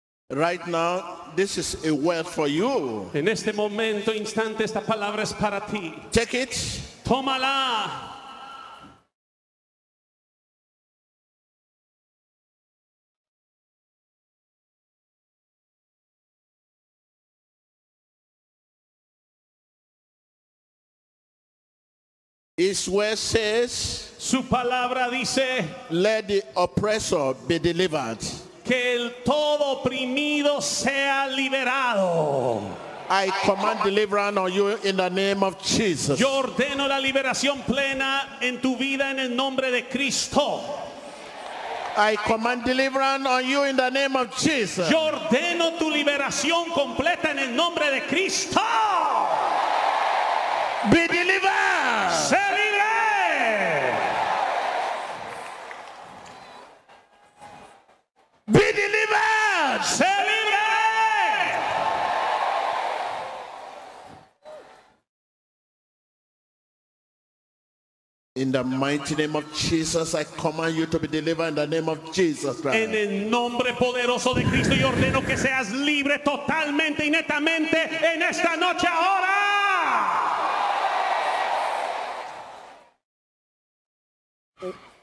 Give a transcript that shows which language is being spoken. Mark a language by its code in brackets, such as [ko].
[en] Right now, this is a word for you. [es] En este momento, instante, esta palabra es para ti. [en] Take it. [es] Tómala. [en] His word says, [es] su palabra dice, [en] let the oppressor be delivered. [es] Que el todo oprimido sea liberado. [en] I command deliverance on you in the name of Jesus. [es] Yo ordeno la liberación plena en tu vida en el nombre de Cristo. [en] I command deliverance on you in the name of Jesus. [es] Yo ordeno tu liberación completa en el nombre de Cristo. [en] Be delivered. [es] Se libre. [en] Be delivered! [es] Se libre! [en] In the mighty name of Jesus, I command you to be delivered in the name of Jesus Christ. [es] En el nombre poderoso de Cristo, yo ordeno que seas libre totalmente y netamente en esta noche ahora.